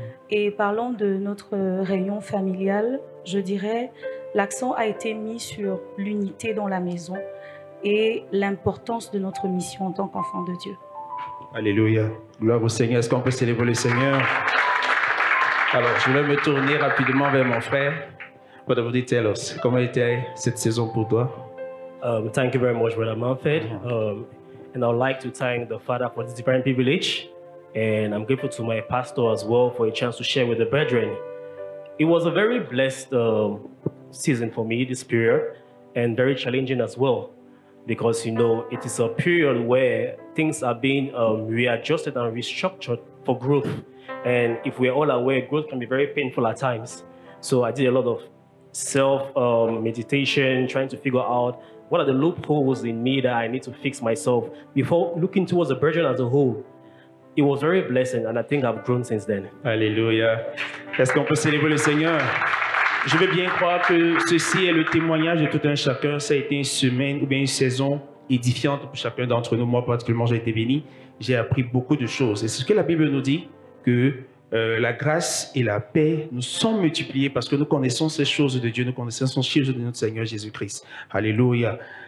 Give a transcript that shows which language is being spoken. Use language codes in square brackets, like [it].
[fr] Et parlant de notre réunion familiale, je dirais l'accent a été mis sur l'unité dans la maison et l'importance de notre mission en tant qu'enfant de Dieu. Alléluia. Gloire au Seigneur. Est-ce qu'on peut célébrer le Seigneur? Alors, je vais me tourner rapidement vers mon frère. [en] What about you, tell us? [fr] Comment était cette saison pour toi? [en] Thank you very much, Brother Manfred. And I would like to thank the Father for this divine privilege. And I'm grateful to my pastor as well for a chance to share with the brethren. It was a very blessed season for me, this period, and very challenging as well. Because, you know, it is a period where things are being readjusted and restructured for growth. And if we're all aware, growth can be very painful at times. So I did a lot of self-meditation, trying to figure out what are the loopholes in me that I need to fix myself before looking towards the brethren as a whole. It was very blessing, and I think I've grown since then. [fr] Alléluia. Est-ce qu'on peut célébrer le Seigneur? Je veux bien croire que ceci est le témoignage de tout un chacun. Ça a été une semaine ou bien une saison édifiante pour chacun d'entre nous. Moi, particulièrement, j'ai été béni. J'ai appris beaucoup de choses. Et c'est ce que la Bible nous dit, que la grâce et la paix nous sont multipliées parce que nous connaissons ces choses de Dieu, nous connaissons ces choses de notre Seigneur Jésus-Christ. Alléluia.